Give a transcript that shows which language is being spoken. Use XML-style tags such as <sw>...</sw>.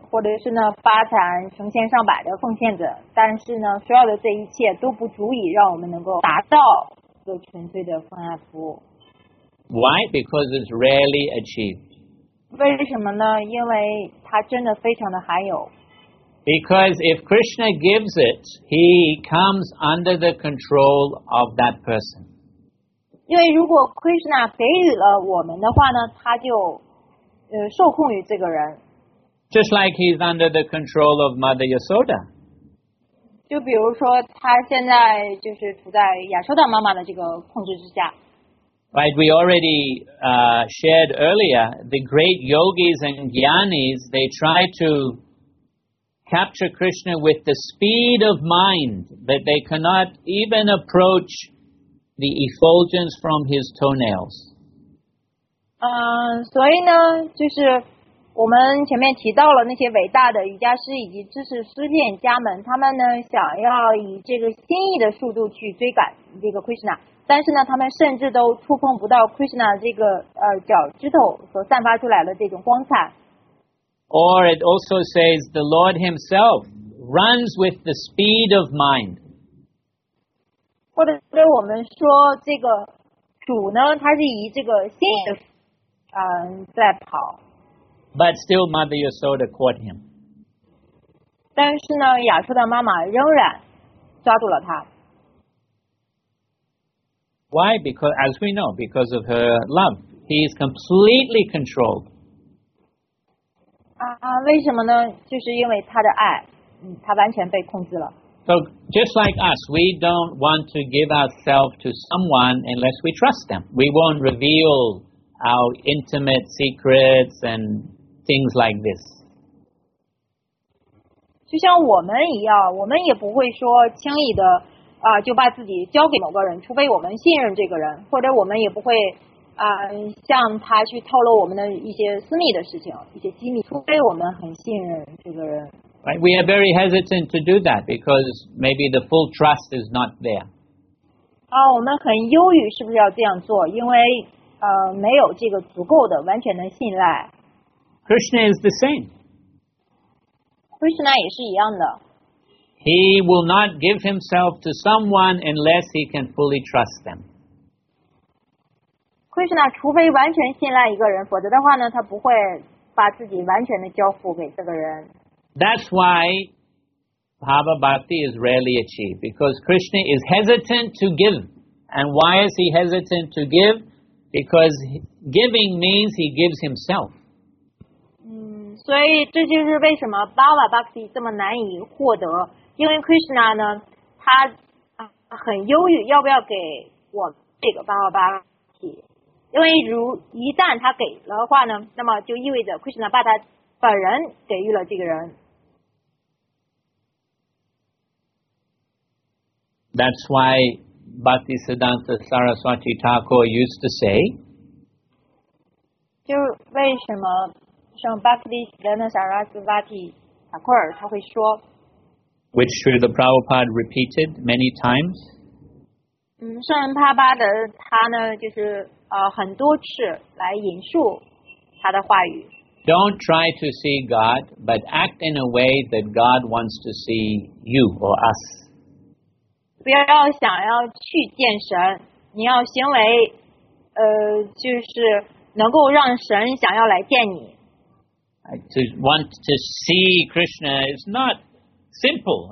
<zh>或者是呢发展成千上百的奉献者，但是呢所有的这一切都不足以让我们能够达到这纯粹的奉爱服务。</zh> <en>Why? Because it's rarely achieved.</en> <zh>为什么呢？因为它真的非常的罕有。</zh> <en>Because if Krishna gives it, he comes under the control of that person.</en> <zh>因为如果 Krishna 给予了我们的话呢，他就受控于这个人。</zh> <en>Just like he's under the control of Mother Yasoda.</en> <zh>就比如说，他现在就是处在亚瑟达妈妈的这个控制之下。</zh> <en>Right, we already shared earlier, the great yogis and jnanis, they try to capture Krishna with the speed of mind, but they cannot even approach the effulgence from his toenails.</en> <zh>所以呢，就是我们前面提到了那些伟大的瑜伽师以及知识思辨家们，他们呢想要以这个心意的速度去追赶这个 Krishna， 但是呢，他们甚至都触碰不到 Krishna 这个脚趾头所散发出来的这种光彩。</zh> <en>Or it also says the Lord Himself runs with the speed of mind.</en> <zh>或者对我们说，这个主呢，他是以这个心意的在跑。</zh> <en>But still, Mother Yasoda caught him.</en> <zh>但是呢，亚瑟的妈妈仍然抓住了他。</zh> <en>Why? Because, as we know, because of her love, he is completely controlled.</en> <zh>为什么呢？就是因为他的爱，他完全被控制了。</zh> <en>So just like us, we don't want to give ourselves to someone unless we trust them. We won't reveal our intimate secrets and things like this.</en> <zh>就像我们一样，我们也不会说轻易的就把自己交给某个人，除非我们信任这个人，或者我们也不会向他去透露我们的一些私密的事情，一些机密，除非我们很信任这个人。</zh> <en>Right, we are very hesitant to do that because maybe the full trust is not there.</en> <zh>我们很忧郁，是不是要这样做？因为没有这个足够的完全的信赖。</zh> <en>Krishna is the same.</en> <zh>Krishna 也是一样的。</zh> <en>He will not give himself to someone unless he can fully trust them.</en> <zh>Krishna 除非完全信赖一个人，否则的话呢，他不会把自己完全的交付给这个人。</zh> <en>That's why Bhava Bhakti is rarely achieved, because Krishna is hesitant to give. And why is he hesitant to give? Because giving means he gives himself.</en> <zh>所以这就是为什么 Bhava Bhakti 这么难以获得，因为 Krishna 呢，他很忧郁，要不要给我这个 Bhava Bhakti？因为一旦他给了的话呢，那么就意味着 Krishna 把他本人给予了这个人。</zh> <en>That's why Bhaktisiddhanta Saraswati Thakur used to say.</en> <zh>就为什么？像巴克利的那萨拉斯瓦提塔库尔，他会说</zh> <en>，which Srila Prabhupada repeated many times。</en> <zh>圣帕巴的他呢，就是很多次来引述他的话语。</zh> <en>Don't try to see God, but act in a way that God wants to see you or us。</en> <zh>不要想要去见神，你要行为就是能够让神想要来见你。</zh> <en>To want to see Krishna is not simple.</en>